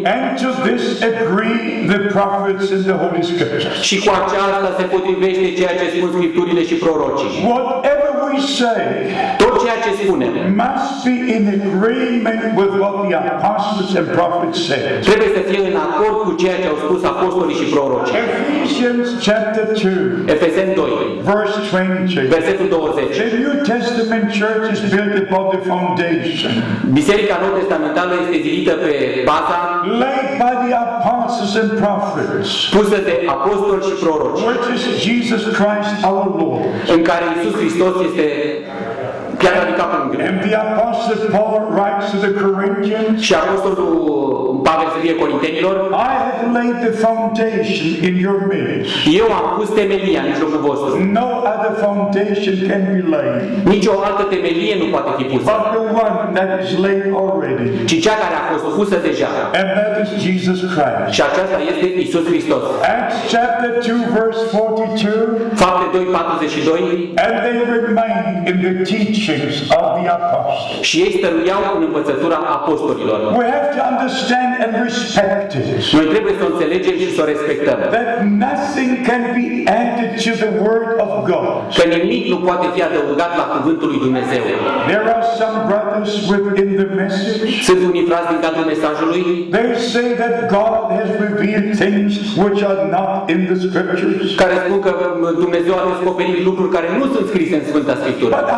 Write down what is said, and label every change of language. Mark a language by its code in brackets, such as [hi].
[en] And to this agree the prophets and the holy scriptures. [ro] Și cu aceasta se potrivește ceea ce spun scripturile și prorocii. [en] Whatever we say, [ro] tot ceea ce spunem, [en] must be in agreement with what the apostles and prophets said. [ro] Trebuie să fie în acord cu ceea ce au spus apostolii și prorocii. [en] Ephesians chapter 2, [ro] Efeseni 2, [en] verse 20. [ro] Versetul 20. [en] The New Testament church is built upon the foundation. [ro] Biserica Noua Testamentală este zidită pe baza [en] laid by the apostles and prophets. [ro] Pusă de apostoli și proroci. [en] Which is Jesus Christ our Lord. [ro] În care Iisus Hristos este piatra de cap în grup. [en] And the apostle Paul writes to the Corinthians. [ro] Și apostolul Pavel scrie corintenilor. [en] I have laid the foundation in your midst. [ro] Eu am pus temelia în mijlocul vostru. [en] No other foundation can be laid. [ro] Nicio altă temelie nu poate fi pusă. [en] But the one that is laid already. [ro] Ci cea care a fost pusă deja. [en] And that is Jesus Christ. [ro] Și aceasta este Iisus Hristos. [en] Acts chapter 2 verse 42. [ro] Fapte 2, 42. [en] And they remain in the teaching. [ro] Și ei stăruiau în învățătura apostolilor. [en] We have to understand and respect it. [ro] Noi trebuie să o înțelegem și să o respectăm. [en] That nothing can be added to the word of God. [ro] Că nimic nu poate fi adăugat la cuvântul lui Dumnezeu. [en] There are some brothers within the message. [ro] Sunt unii frați din cadrul mesajului. [en] They say that God has revealed things which are not in the scriptures. [ro] Care spun că Dumnezeu a descoperit lucruri care nu sunt scrise în Sfânta Scriptură.